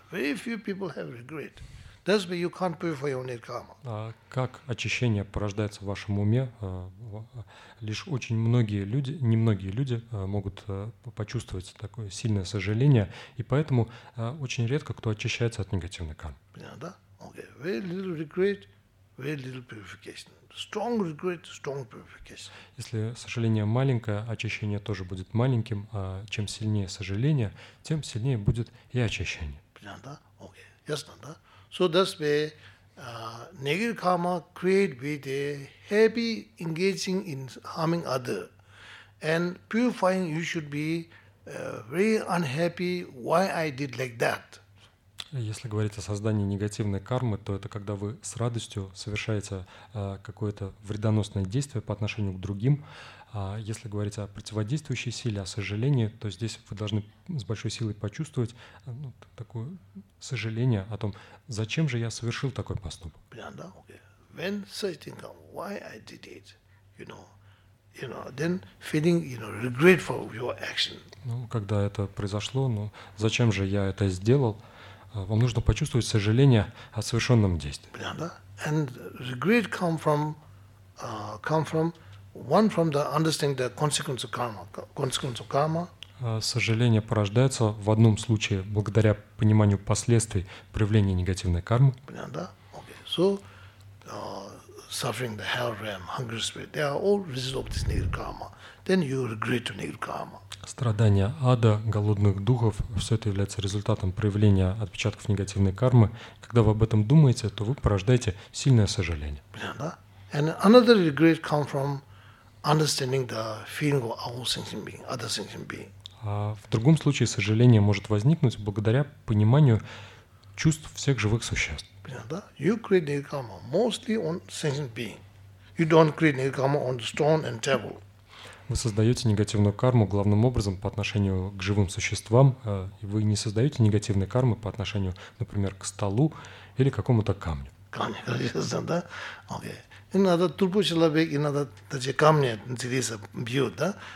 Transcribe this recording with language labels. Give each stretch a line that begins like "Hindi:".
English: Very few people have regret. That's why you can't purify your net karma.
Russian: Как очищение порождается в вашем уме? Лишь очень многие люди, немногие люди могут почувствовать такое сильное сожаление, и поэтому очень редко кто очищается от негативной кармы. Понятно?
English: Okay. Very little regret, very little purification. Strong regret, strong purification.
Russian: Если сожаление маленькое, очищение тоже будет маленьким, а чем сильнее сожаление, тем сильнее будет и очищение. Понятно, да? Окей. Ясно, да?
English: So that's why negative karma create with a happy engaging in harming other. And purifying you should be very unhappy why I did like that.
Russian: Если говорить о создании негативной кармы, то это когда вы с радостью совершаете какое-то вредоносное действие по отношению к другим. Если говорить о противодействующей силе, о сожалении, то здесь вы должны с большой силой почувствовать такое сожаление о том, зачем же я совершил такой поступок.
English: When certain come, why I did it, you know, then feeling, you know, regret for your action.
Russian: Ну, когда это произошло, зачем же я это сделал? Вам нужно почувствовать сожаление о совершенном действии. Понятно?
English: And regret come from the understanding the consequence of karma.
Russian: Сожаление порождается в одном случае благодаря пониманию последствий проявления негативной кармы. Понятно?
English: Okay. So suffering the hell realm, hunger spirit, they are all result of this negative karma. Then you regret to negative karma.
Russian: Страдания ада, голодных духов, все это является результатом проявления отпечатков негативной кармы. Когда вы об этом думаете, то вы порождаете сильное сожаление. Понятно?
English: And another regret comes from understanding the feeling of our sentient being, other sentient being.
Russian: А в другом случае сожаление может возникнуть благодаря пониманию чувств всех живых существ. Понятно?
English: You create negative karma mostly on sentient being. You don't create negative karma on stone and table.
Russian: Вы создаете негативную карму главным образом по отношению к живым существам, и вы не создаете негативной кармы по отношению, например, к столу или к какому-то камню. Камни, конечно, да? Окей. Иногда трупу человека, иногда даже камни интереса бьют, да?